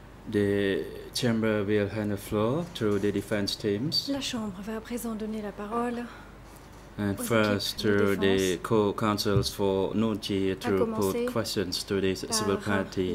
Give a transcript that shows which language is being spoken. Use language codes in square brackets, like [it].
[en] The chamber will hand the floor to the defense teams. [fr] La chambre va à présent donner la parole. [en] And first to the co-counsels for Nunchi to put questions to this civil party.